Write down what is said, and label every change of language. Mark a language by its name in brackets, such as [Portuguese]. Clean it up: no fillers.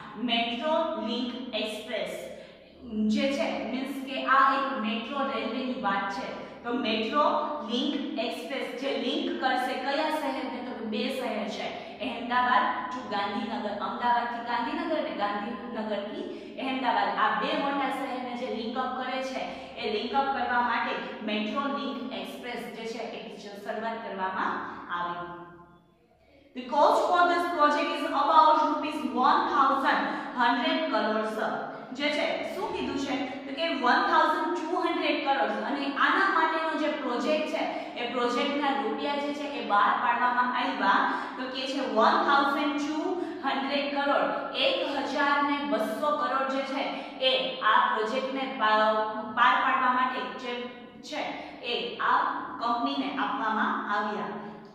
[Gujarati] Metro link express જે છે means કે આ એક મેટ્રો રેલવેની વાત છે તો મેટ્રો લિંક એક્સપ્રેસ જે લિંક કરશે કયા શહેરને તો બે શહેર છે અહેમદાબાદ ટુ ગાંધીનગર, અમદાવાદથી ગાંધીનગર અને ગાંધીનગરથી અહેમદાબાદ આ બે મોટા શહેરને જે લિંકઅપ કરે છે એ લિંકઅપ કરવા માટે મેટ્રો લિંક એક્સપ્રેસ જે છે એ શરૂઆત કરવામાં આવી। [English] The cost for this project is about rupees 1,100 crores [Gujarati] જે છે શું કીધું છે તો કે [English] 1,200 crores। [Gujarati] અને આના માટેનો જે પ્રોજેક્ટ છે એ પ્રોજેક્ટના રૂપિયા જે છે એ બહાર પાડવામાં આવ્યા તો કે છે 1,200 crore 1,200 crore જે છે એ આ પ્રોજેક્ટને પાર પાડવા માટે જે છે એ આ કંપનીને આપવામાં આવ્યા।